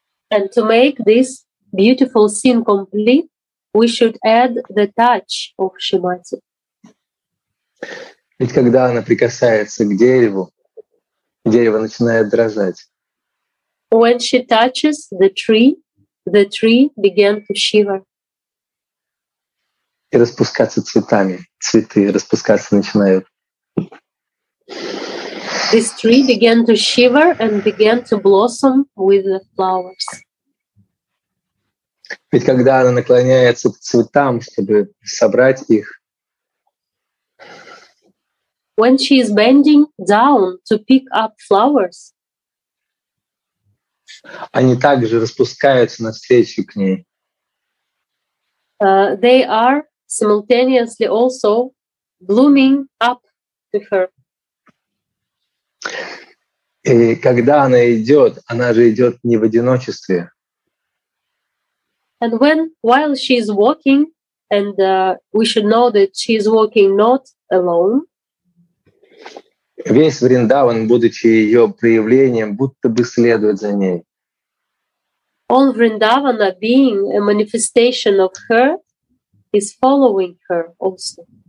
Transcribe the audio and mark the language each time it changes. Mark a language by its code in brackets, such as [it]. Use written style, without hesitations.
[en] And to make this beautiful scene complete, we should add the touch of Shrimati. [ru] Ведь когда она прикасается к дереву, дерево начинает дрожать. [en] When she touches the tree began to shiver. [ru] И распускаться цветами, цветы распускаться начинают. [en] This tree began to shiver and began to blossom with the flowers. [ru] Ведь когда она наклоняется к цветам, чтобы собрать их. [en] When she is bending down to pick up flowers. [ru] Они также распускаются навстречу к ней. [en] They are simultaneously also blooming up to her. [ru] И когда она же идет не в одиночестве. [en] And when, while she is walking, and we should know that she is walking not alone. [ru] Весь Вриндаван, будучи ее проявлением, будто бы следует за ней. [en] All Vrindavana being a manifestation of her is following her also.